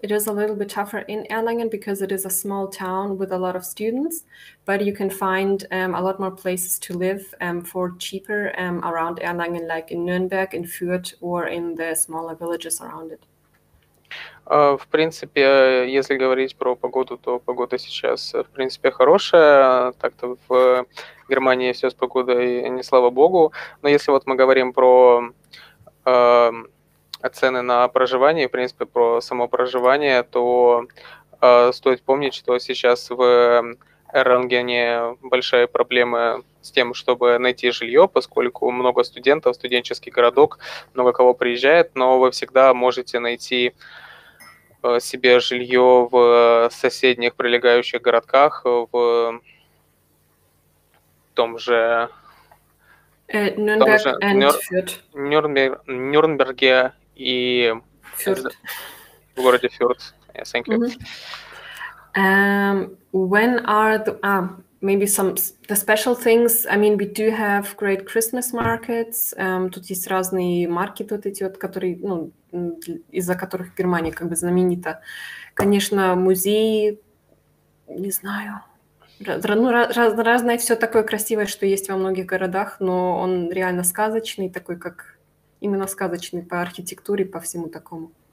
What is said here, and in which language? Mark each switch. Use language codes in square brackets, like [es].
[en] It is a little bit tougher in Erlangen because it is a small town with a lot of students, but you can find a lot more places to live for cheaper around Erlangen, like in Nürnberg, in Fürth, or in the smaller villages around it. [ru] В принципе, если говорить про погоду, то погода сейчас, в принципе, хорошая. Так-то в Германии все с погодой, не слава богу. Но если вот мы говорим про цены на проживание, в принципе, про само проживание, то стоит помнить, что сейчас в Эрлангене большие проблемы с тем, чтобы найти жилье, поскольку много студентов, студенческий городок, много кого приезжает, но вы всегда можете найти себе жилье в соседних прилегающих городках, в том же Нюрнберге и в городе Фюрт. [en] Yes, thank you. When are the maybe some the special things? I mean, we do have great Christmas markets. [ru] Тут есть разные маркеты вот эти вот, которые, ну, из-за которых Германия как бы знаменита. Конечно, музеи, не знаю, разное все такое красивое, что есть во многих городах, но он реально сказочный, такой как именно сказочный по архитектуре, по всему такому.